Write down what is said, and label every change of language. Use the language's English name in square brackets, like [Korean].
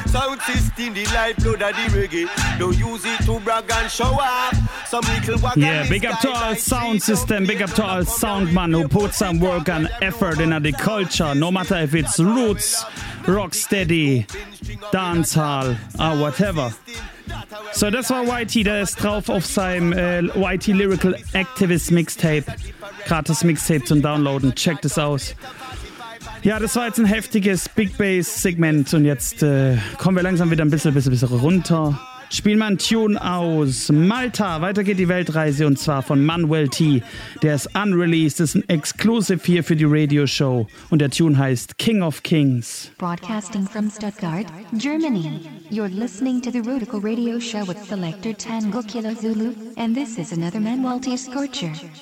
[English] Sound system, the lifeblood of the reggae. Don't use it to brag and show up. Some little wagon. Yeah, big up to our like sound system, big up to our soundman who put some work and effort into the culture, no matter if it's roots, rock steady, dancehall, or whatever. [German] So das war YT, der ist drauf auf seinem YT Lyrical Activist Mixtape. Gratis Mixtape zum Downloaden, check das aus. Ja, das war jetzt ein heftiges Big Bass Segment und jetzt kommen wir langsam wieder ein bisschen runter. Spielen wir einen Tune aus Malta. Weiter geht die Weltreise und zwar von Manuel T. Der ist unreleased, ist ein Exclusive hier für die Radioshow. Und der Tune heißt King of Kings. [English] Broadcasting from Stuttgart, Germany. You're listening to the Rootikal Radio Show with Selector Tango Kilo Zulu. And this is another Manuel T. Scorcher.